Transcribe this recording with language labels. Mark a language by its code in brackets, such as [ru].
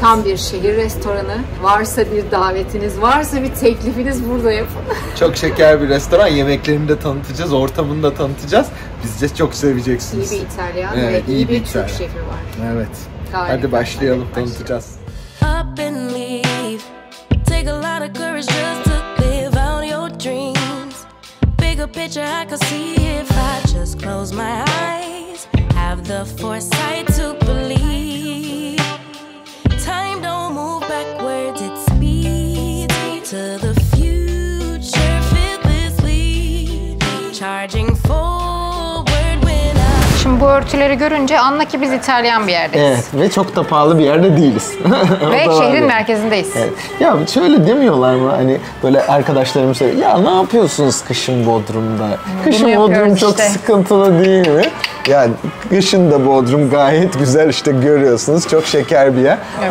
[tr] Tam bir şehir restoranı. Varsa bir davetiniz, varsa bir teklifiniz burada yapın. Çok şeker bir restoran. Yemeklerini de tanıtacağız, ortamını da tanıtacağız. Biz de çok seveceksiniz. İyi bir İtalyan ve iyi bir Türk şefi var. Evet. Harika. Hadi başlayalım, hadi tanıtacağız. [en] Up and leave. Take a lot of courage just to live out your dreams. Bigger picture I could see if I just close my eyes. Have the foresight to believe. Time don't move backwards, it speeds to the future fearlessly. Charging forward when I... [tr] Şimdi bu örtüleri görünce anla ki biz İtalyan bir yerdeyiz. Evet ve çok da pahalı bir yerde değiliz. Ve şehrin merkezindeyiz. Evet. Ya şöyle demiyorlar mı hani böyle arkadaşlarımız söylüyor. Ya ne yapıyorsunuz kışın Bodrum'da? Kışın Bodrum çok işte. Sıkıntılı değil mi? Yani kışın da Bodrum gayet güzel işte görüyorsunuz. Çok şeker bir yer. Evet.